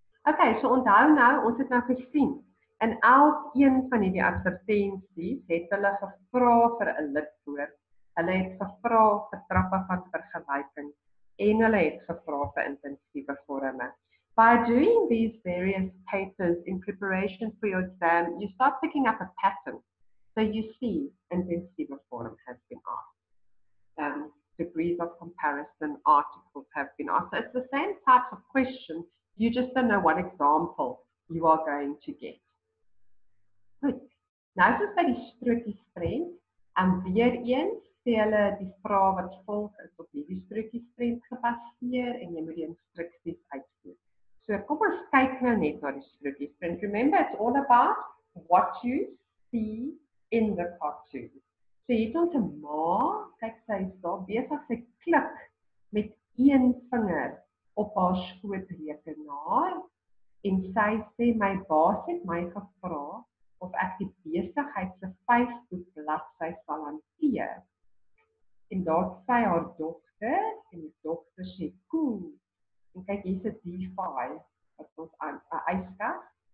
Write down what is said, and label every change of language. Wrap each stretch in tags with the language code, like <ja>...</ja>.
<af>Okay, so onthou nou, ons het nou gesien, in elk een van die advertenties het hulle gevra vir 'n lidwoord. Hulle het gevra vir trappe van vergelyking en hulle het gevra vir intensiewe vorme.</af> <en>By doing these various papers in preparation for your exam, you start picking up a pattern. So you see, intensive form has been asked. Degrees of comparison, articles have been asked. So it's the same type of question, you just don't know what example you are going to get.</en> <af>Goed. Nou is dit die strookie sprent. En weer eens, sê hulle die vraag wat volg is op die strookie sprent gebaseer en jy moet die instructies uitvoer. So kom ons kyk nou net na die strookie sprent.</af> <en>Remember, it's all about what you see in the cartoon.</en> <af>So hier het ons een ma, kyk sy is daar bezig, sy klik met een vinger op haar skootrekenaar en sy sê, my baas het my gevra of ek die besigheid se Facebook bladsy sal hanteer. En daar sy haar dogter en die dogter sê, cool. En kyk, hier is een D5, wat ons aan ijskas.</af>